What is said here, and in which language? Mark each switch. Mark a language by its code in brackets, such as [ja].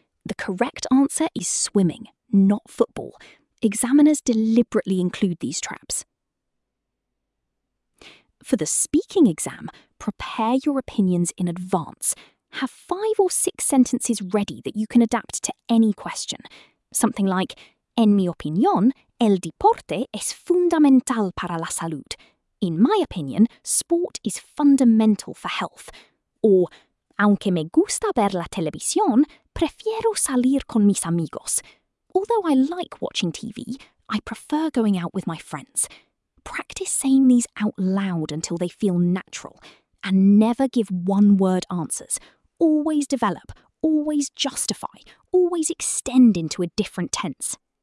[en] The correct answer is swimming, not football. Examiners deliberately include these traps. For the speaking exam, prepare your opinions in advance. Have 5 or 6 sentences ready that you can adapt to any question. [es] Something like, en mi opinión, el deporte es fundamental para la salud. [en] In my opinion, sport is fundamental for health. [es] Or, aunque me gusta ver la televisión, prefiero salir con mis amigos. [en] Although I like watching TV, I prefer going out with my friends. Practice saying these out loud until they feel natural. And never give one-word answers. Always develop. Always justify. Always extend into a different tense.